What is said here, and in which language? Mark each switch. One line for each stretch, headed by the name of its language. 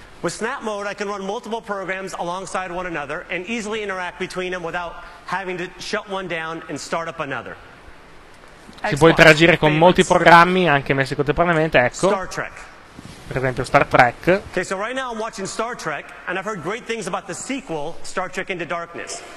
English: With Snap Mode I can run multiple programs alongside one another and easily interact between them without having to shut one down and start up another. Xbox.
Italian: Si può interagire con molti programmi anche messi contemporaneamente, ecco.
English: Star Trek.
Italian: Per esempio Star Trek.
English: Okay, so right now I'm watching Star Trek and I've heard great things about the sequel Star Trek Into Darkness.